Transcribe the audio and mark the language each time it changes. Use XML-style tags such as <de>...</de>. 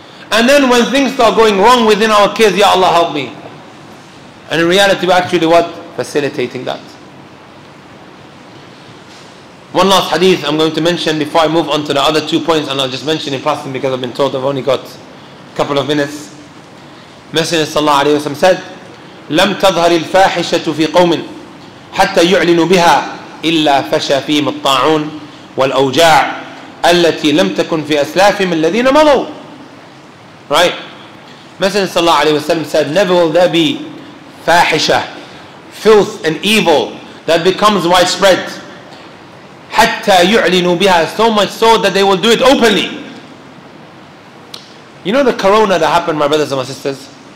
<en>And then when things start going wrong within our kids, Ya Allah help me. And in reality, we're actually what? Facilitating that. One last hadith I'm going to mention before I move on to the other two points, and I'll just mention in passing because I've been told I've only got a couple of minutes. Messenger sallallahu alayhi wa sallam said,</en> <ar>لَمْ تَظْهَرِ الْفَاحِشَةُ فِي قَوْمٍ حَتَّى يُعْلِنُ بِهَا إِلَّا فَشَى فِيهِمُ الطَّاعُونَ وَالْأَوْجَاعُ التي لم تكن في أسلافهم الذين مضوا.</ar> <en>Right. Messenger sallallahu alayhi wa sallam said, never will there be fahisha, filth and evil that becomes widespread.</en> <ar>حَتَّى يُعْلِنُوا بِهَا,</ar> <en>so much so that they will do it openly. You know the corona that happened, my brothers and my sisters?</en>